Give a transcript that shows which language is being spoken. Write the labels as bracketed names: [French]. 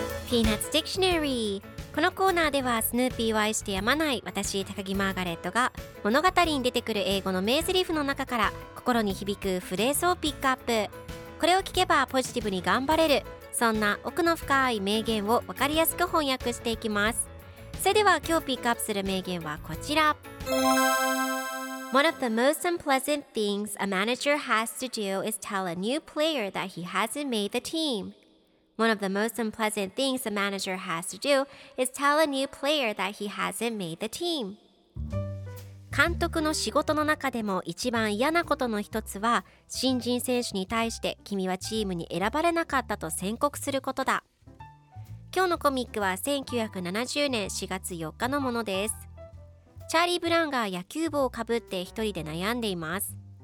[Japanese] ピーナッツ・ディクショナリー。このコーナーではスヌーピーを愛してやまない私高木マーガレットが物語に出てくる英語の名台詞の中から心に響くフレーズをピックアップ。これを聞けばポジティブに頑張れる、そんな奥の深い名言を分かりやすく翻訳していきます。それでは今日ピックアップする名言はこちら。 [English] One of the most unpleasant things a manager has to do is tell a new player that he hasn't made the team. One of the most unpleasant things a manager has to do is tell a new player that he hasn't made the team. [Japanese] 監督の仕事の中でも一番嫌なことの一つは、新人選手に対して君はチームに選ばれなかったと宣告することだ。今日のコミックは1970年4月4日のものです。チャーリー・ブラウンが野球帽をかぶって一人で悩んでいます。